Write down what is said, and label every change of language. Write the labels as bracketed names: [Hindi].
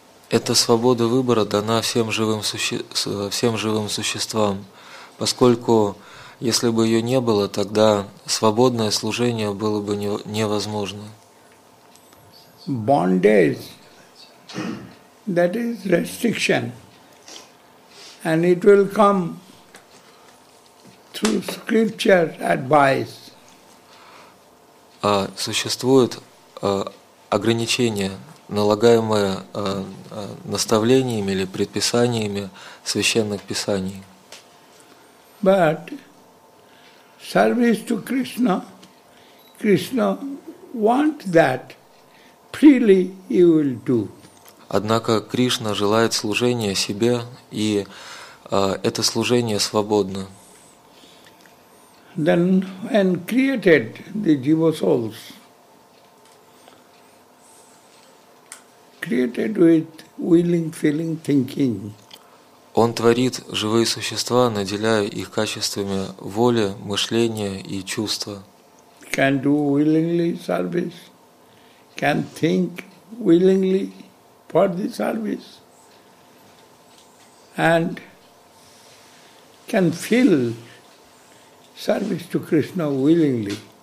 [Russian] Это свобода выбора дана всем живым существам, поскольку если бы ее не было, тогда свободное служение было бы невозможно. [English] Bondage, that is restriction, and it will come through scripture advice. [Russian] Существует ограничения, налагаемые наставлениями или предписаниями священных писаний. [English] But service to Krishna, Krishna wants that freely you will do. [Russian] Однако Кришна желает служения себе, и это служение свободно. [English] Then and created the jiva souls. Created with willing, feeling, thinking. [Russian] Он творит живые существа, наделяя их качествами воли, мышления и чувства. [English] Can do willingly service. Can think willingly for the service. And can feel service to Krishna willingly.